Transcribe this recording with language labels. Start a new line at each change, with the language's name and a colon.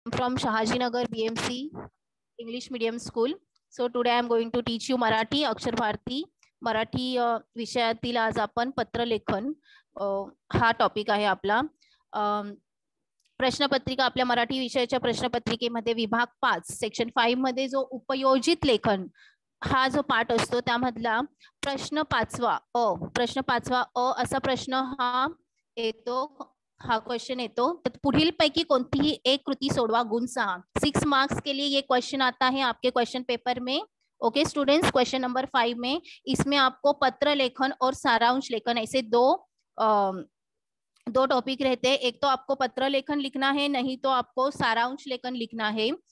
English: From Shahji Nagar BMC English medium school. So today I am going to teach you
Marathi: Marathi अक्षर भारती. मराठी विषयातील आज आपण पत्र लेखन हा टॉपिक आहे आपला. प्रश्नपत्रिका, आपल्या मराठी विषयाच्या प्रश्नपत्रिकेमध्ये विभाग 5 सेक्शन 5 मध्ये जो उपयोजित लेखन हा जो पाठ असतो त्यामधला प्रश्न पाचवा अ असा प्रश्न हा येतो. हा क्वेश्चन येतो तर पुढील पैकी कोणतीही एक कृती सोडवा गुण 6.
Hindi: 6 मार्क्स के लिए ये क्वेश्चन आता है आपके क्वेश्चन पेपर में. ओके स्टूडेंट्स, क्वेश्चन नंबर 5 में इसमें आपको पत्र लेखन और सारांश लेखन ऐसे दो दो टॉपिक रहते हैं. एक तो आपको पत्र लेखन लिखना है, नहीं तो आपको सारांश लेखन लिखना है.